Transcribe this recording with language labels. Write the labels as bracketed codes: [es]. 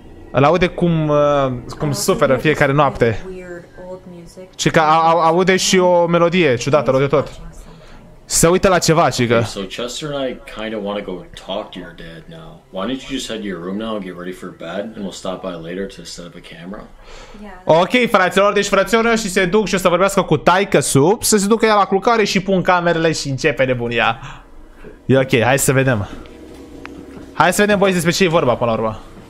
[ro] Îl aude cum, cum suferă fiecare noapte. Și că aude și o melodie ciudată, rău de tot. Se uită la ceva, chica. [en] So Chester and I kind of want to go talk to your dad now. Why don't you just head to your room now and get ready for bed and we'll stop by later to set up a camera? Yeah. [ro] Ok, fraților, deci frațiorul meu și se duc și o să vorbească cu taică sub, să se ducă ea la culcare și pun camerele și începe nebunia. E ok, hai să vedem. Hai să vedem, boys, despre ce e vorba până la urmă.